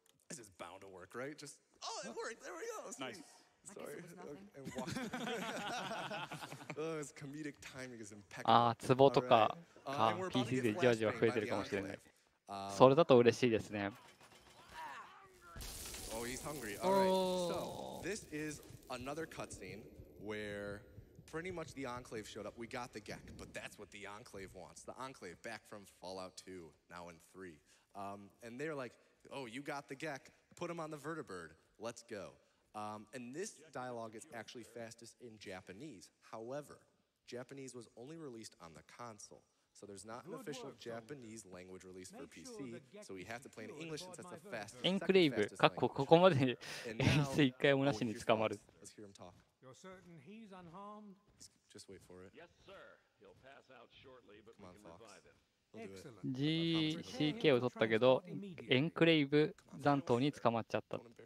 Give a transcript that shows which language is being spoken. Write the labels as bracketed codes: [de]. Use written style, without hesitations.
[en] This is bound to work, right? Just, oh, it worked! There we go! Nice. Sorry. His comedic timing is impeccable. [ja] ああ、ツボとか、あ、PC でじわじわ増えてるかもしれない。それだと嬉しいですね。 [en] Oh, he's hungry. All right. So this is another cutscene where pretty much the Enclave showed up. We got the Gek, but that's what the Enclave wants. The Enclave back from Fallout 2, now in 3. And they're like, "Oh, you got the Gek. Put him on the vertibird. Let's go." And this dialogue is actually fastest in Japanese. However, Japanese was only released on the console, so there's not an official Japanese language release for PC. So we have to play in English since that's the fastest. Enclave. [ja] かっこここまで演出一回もなしに捕まる。 [en] Let's hear him talk. You're certain he's unharmed? Just wait for it. Yes, sir. He'll pass out shortly, but we can revive him. [ja] GCK を取ったけど、エンクレイブ残党に捕まっちゃった。